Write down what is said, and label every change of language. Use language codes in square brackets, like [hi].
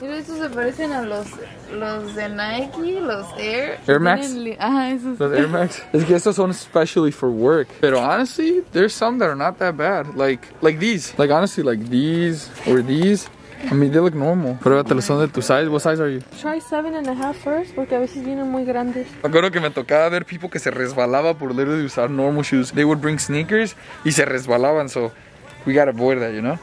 [es] Mira, estos se parecen a los de Nike, los Air. Air Max. Ajá, esos. Los Air Max. Es que estos son [en] especially for work. Pero, honestly, there's some that are not that bad. Like these. Like, honestly, like these or these. I mean, they look normal. [es] Pruébatelo, son de tu size. [en] What size are you? Try 7.5 first, [es] porque a veces vienen muy grandes. Me acuerdo que me tocaba ver people que se resbalaba por literally usar [en] normal shoes. They would bring sneakers [es] y se resbalaban, [en] so we gotta avoid that, you know?